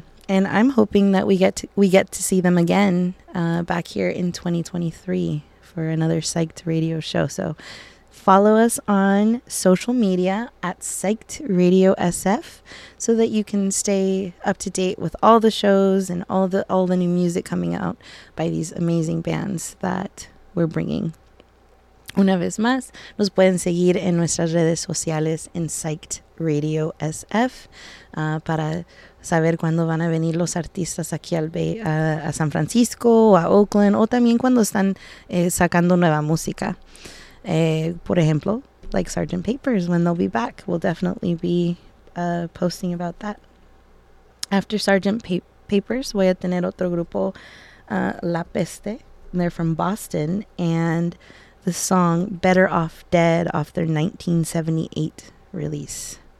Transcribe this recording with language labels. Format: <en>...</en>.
<en>And I'm hoping that we get to see them again back here in 2023 for another Psyched Radio show. So follow us on social media at Psyched Radio SF so that you can stay up to date with all the shows and all the new music coming out by these amazing bands that we're bringing.</en> <es>Una vez más, nos pueden seguir en nuestras redes sociales en Psyched Radio SF para saber cuándo van a venir los artistas aquí al Bay, a San Francisco o a Oakland, o también cuando están sacando nueva música. Por ejemplo, like Sgt.</es> <en>Papers, when they'll be back, we'll definitely be posting about that. After Sgt.</en> <es>Papers, voy a tener otro grupo, La Peste.</es> <en>They're from Boston, and the song Better Off Dead off their 1978 release.</en>